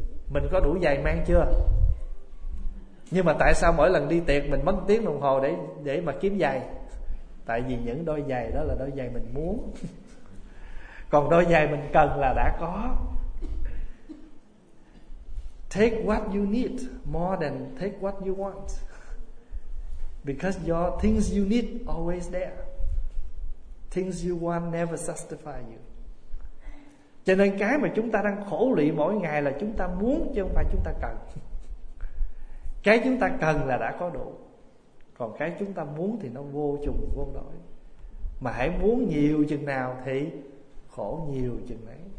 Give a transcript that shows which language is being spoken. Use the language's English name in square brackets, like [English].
[Vietnamese] Mình có đủ giày mang chưa? Nhưng mà tại sao mỗi lần đi tiệc mình mất tiếng đồng hồ để mà kiếm giày? Tại vì những đôi giày đó là đôi giày mình muốn. Còn đôi giày mình cần là đã có. [English] Take what you need more than take what you want, because your things you need always there. Things you want never satisfy you. [Vietnamese] Cho nên cái mà chúng ta đang khổ lụy mỗi ngày là chúng ta muốn chứ không phải chúng ta cần. Cái chúng ta cần là đã có đủ. Còn cái chúng ta muốn thì nó vô trùng vô đổi. Mà hãy muốn nhiều chừng nào thì khổ nhiều chừng ấy.